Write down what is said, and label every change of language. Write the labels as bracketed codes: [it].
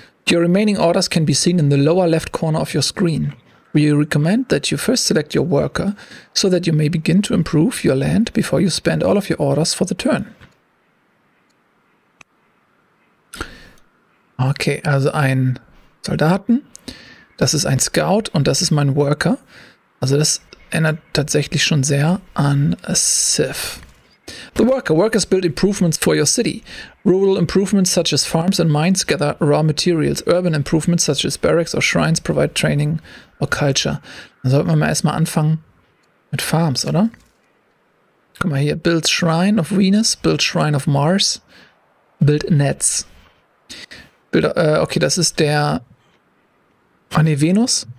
[en] Your remaining orders can be seen in the lower left corner of your screen. We recommend that you first select your worker, so that you may begin to improve your land before you spend all of your orders for the turn. [de] Okay, also ein Soldaten, das ist ein Scout und das ist mein Worker. Also das erinnert tatsächlich schon sehr an Civ. [en] The worker. Workers build improvements for your city. Rural improvements such as farms and mines gather raw materials. Urban improvements such as barracks or shrines provide training or culture. [de] Dann sollten wir mal erstmal anfangen mit Farms, oder? Guck mal hier. [en] Build Shrine of Venus. Build Shrine of Mars. Build Nets. [de] Build, okay, das ist der... Ah ne, Venus.